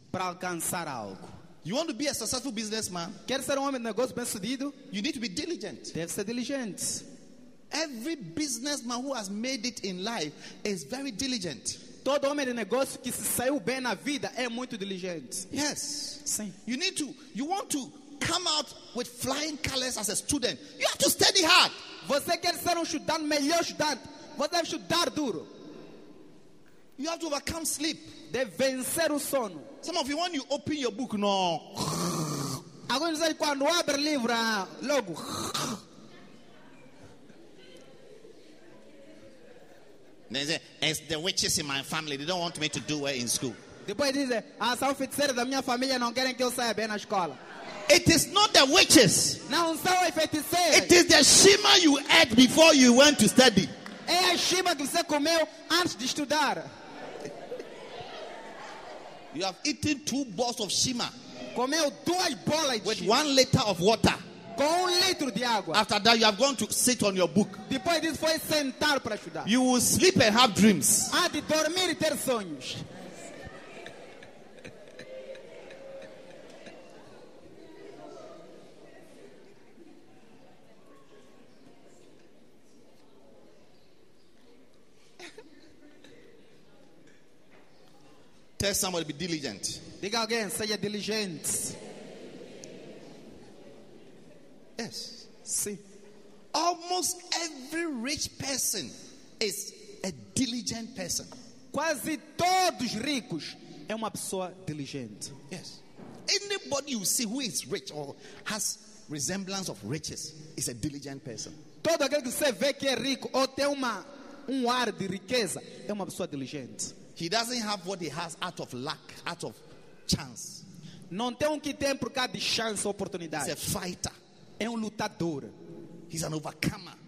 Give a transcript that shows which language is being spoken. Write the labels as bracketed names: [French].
[Portuguese] Para alcançar algo. [English] You want to be a successful businessman? [Portuguese] Quer ser um homem de negócio bem sucedido? [English] You need to be diligent. [Portuguese] Deve ser diligente. [English] Every businessman who has made it in life is very diligent. [Portuguese] Todo homem de negócio que se saiu bem na vida é muito diligente. [English] Yes. [Portuguese] Sim. [English] You need to, you want to come out with flying colors as a student. You have to study hard. [Portuguese] Você quer ser um estudante, melhor estudante. Você deve estudar duro. [English] You have to overcome sleep. [Portuguese] Deve vencer o sono. [English] Some of you, when you open your book, no. [Portuguese] Agora dizer, quando abre o livro, logo. [English] They say, it's the witches in my family. They don't want me to do well in school. [Portuguese] Depois diz, ah, são feiticeiros da minha família, não querem que eu saia bem na escola. [English] It is not the witches. [Portuguese] Não são os feiticeiros. [English] It is the shima you ate before you went to study. [Portuguese] É a shima que você comeu antes de estudar. [English] You have eaten two balls of shima. [Portuguese] Comeu duas bolas de shima. [English] With 1 liter of water. [Portuguese] Com 1 litro de água. [English] After that, you have gone to sit on your book. [Portuguese] Depois disso, foi sentar para estudar. [English] You will sleep and have dreams. [Portuguese] Há de dormir e ter sonhos. [English] Tell somebody to be diligent. [Portuguese] Diga alguém, seja diligente. [English] Yes. See, almost every rich person is a diligent person. [Portuguese] Quase todos ricos é uma pessoa diligente. [English] Yes. Anybody you see who is rich or has resemblance of riches is a diligent person. [Portuguese] Todo aquele que você vê que é rico ou tem um ar de riqueza é uma pessoa diligente. [English] He doesn't have what he has out of luck, out of chance. [Portuguese] Não tem o que tem por causa de chance ou oportunidade. [English] He's a fighter. [Portuguese] É um lutador. [English] He's an overcomer.